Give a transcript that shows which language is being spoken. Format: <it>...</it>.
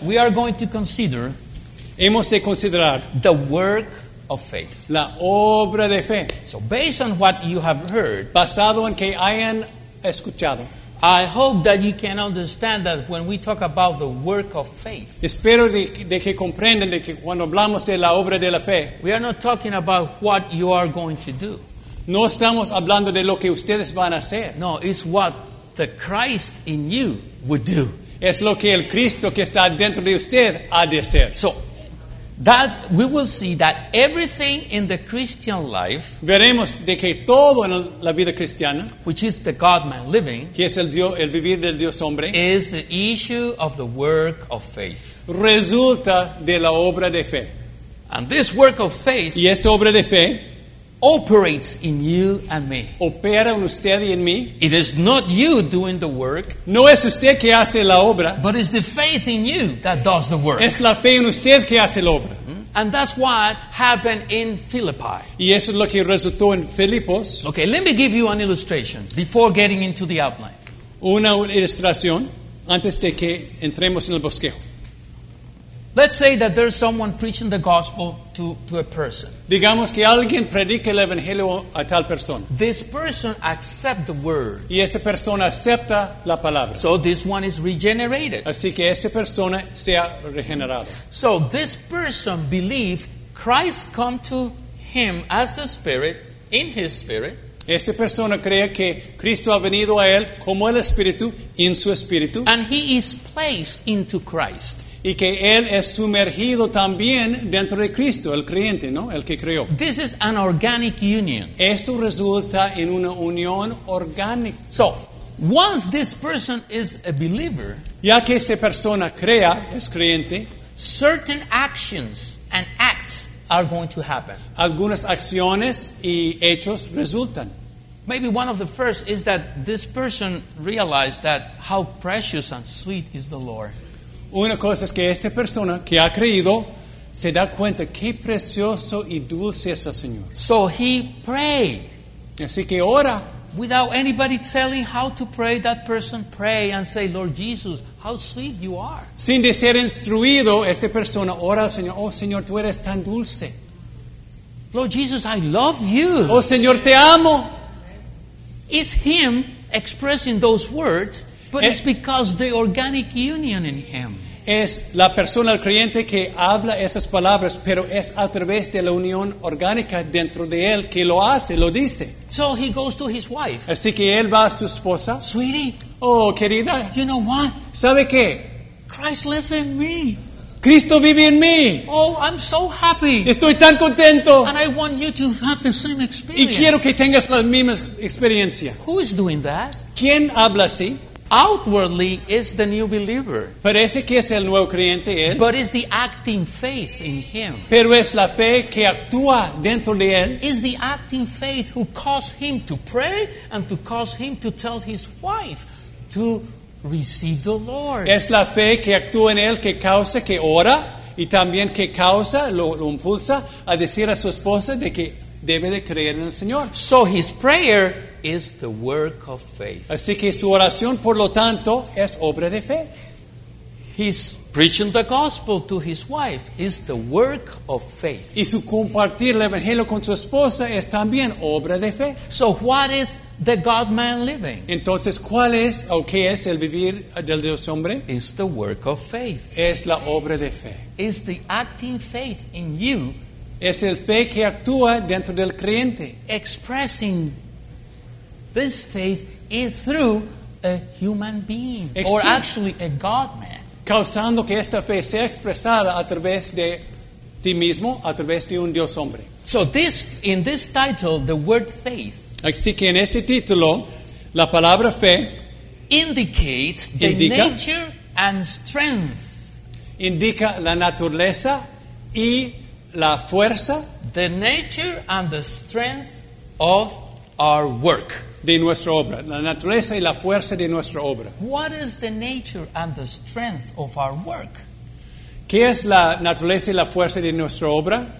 <en>we are going to consider,</en> <es>hemos de considerar,</es> <en>the work of faith,</en> <es>la obra de fe.</es> <en>So based on what you have heard,</en> <es>basado en que hayan escuchado.</es> <en>I hope that you can understand that when we talk about the work of faith.</en> <es>Espero de que comprendan de que cuando hablamos de la obra de la fe.</es> <en>We are not talking about what you are going to do.</en> <es>No estamos hablando de lo que ustedes van a hacer.</es> <en>No, it's what the Christ in you would do.</en> <es>Es lo que el Cristo que está dentro de usted ha de hacer.</es> <en>So, that we will see that everything in the Christian life,</en> <es>veremos de que todo en la vida cristiana,</es> <en>which is the God-man living,</en> <es>que es el vivir del Dios hombre,</es> <en>is the issue of the work of faith.</en> <es>Resulta de la obra de fe.</es> <en>And this work of faith,</en> <es>y esta obra de fe,</es> <en>operates in you and me.</en> <es>Opera en usted y en mí.</es> <en>It is not you doing the work.</en> <es>No es usted que hace la obra.</es> <en>But it's the faith in you that does the work.</en> <es>Es la fe en usted que hace la obra.</es> <en>And that's what happened in Philippi.</en> <es>Y eso es lo que resultó en Filipos.</es> <en>Okay, let me give you an illustration before getting into the outline.</en> <es>Una ilustración antes de que entremos en el bosquejo.</es> <en>Let's say that there's someone preaching the gospel to a person.</en> <es>Digamos que alguien predica el evangelio a tal persona.</es> <en>This person accepts the word.</en> <es>Y esa persona acepta la palabra.</es> <en>So this one is regenerated.</en> <es>Así que esta persona se ha regenerado.</es> <en>So this person believes Christ come to him as the Spirit, in his spirit.</en> <es>Esta persona cree que Cristo ha venido a él como el Espíritu, en su Espíritu.</es> <en>And he is placed into Christ.</en> <es>Y que él es sumergido también dentro de Cristo, el creyente, ¿no? El que creó.</es> <en>This is an organic union.</en> <es>Esto resulta en una unión orgánica.</es> <en>So, once this person is a believer,</en> <es>ya que esta persona crea, es creyente,</es> <en>certain actions and acts are going to happen.</en> <es>Algunas acciones y hechos resultan.</es> <en>Maybe one of the first is that this person realized that how precious and sweet is the Lord.</en> <es>Una cosa es que esta persona que ha creído se da cuenta qué precioso y dulce es el Señor.</es> <en>So he prayed.</en> <es>Así que ora.</es> <en>Without anybody telling how to pray, that person pray and say, Lord Jesus, how sweet you are.</en> <es>Sin de ser instruido, esa persona ora al Señor. Oh Señor, tú eres tan dulce.</es> <en>Lord Jesus, I love you.</en> <es>Oh Señor, te amo.</es> <en>It's him expressing those words. But it's because the organic union in him.</en> <es>Es la persona, el creyente, que habla esas palabras, pero es a través de la unión orgánica dentro de él que lo hace, lo dice.</es> <en>So he goes to his wife.</en> <es>Así que él va a su esposa.</es> <en>Sweetie.</en> <es>Oh, querida.</es> <en>You know what?</en> <es>¿Sabe qué?</es> <en>Christ lives in me.</en> <es>Cristo vive en mí.</es> <en>Oh, I'm so happy.</en> <es>Estoy tan contento.</es> <en>And I want you to have the same experience.</en> <es>Y quiero que tengas la misma experiencia.</es> <en>Who is doing that?</en> <es>¿Quién habla así?</es> <en>outwardly is the new believer.</en> <es>Parece que es el nuevo creyente, él.</es> <en>But it's the acting faith in him.</en> <es>Pero es la fe que actúa dentro de él.</es> <en>It's the acting faith who caused him to pray and to cause him to tell his wife to receive the Lord.</en> <es>Es la fe que actúa en él que causa que ora y también que causa, lo impulsa a decir a su esposa de que debe de creer en el Señor.</es> <en>So his prayer is the work of faith.</en> <es>Así que su oración, por lo tanto, es obra de fe.</es> <en>He's preaching the gospel to his wife is the work of faith.</en> <es>Y su compartir el evangelio con su esposa es también obra de fe.</es> <en>So what is the God-man living?</en> <es>Entonces, ¿cuál es o qué es el vivir del Dios hombre?</es> <en>It's the work of faith.</en> <es>Es la obra de fe.</es> <en>It's the acting faith in you.</en> <es>Es el fe que actúa dentro del creyente.</es> <en>Expressing this faith is through a human being, or actually a God-man.</en> <es>Causando que esta fe sea expresada a través de ti mismo, a través de un Dios hombre.</es> <en>So this, in this title, the word faith.</en> <es>Así que en este título, la palabra fe</es> <en>indicates indica, the nature and strength.</en> <es>Indica la naturaleza y la fuerza.</es> <en>The nature and the strength of our work.</en> <es>De nuestra obra, la naturaleza y la fuerza de nuestra obra.</es> <en>What is the nature and the strength of our work?</en> <es>¿Qué es la naturaleza y la fuerza de nuestra obra?</es>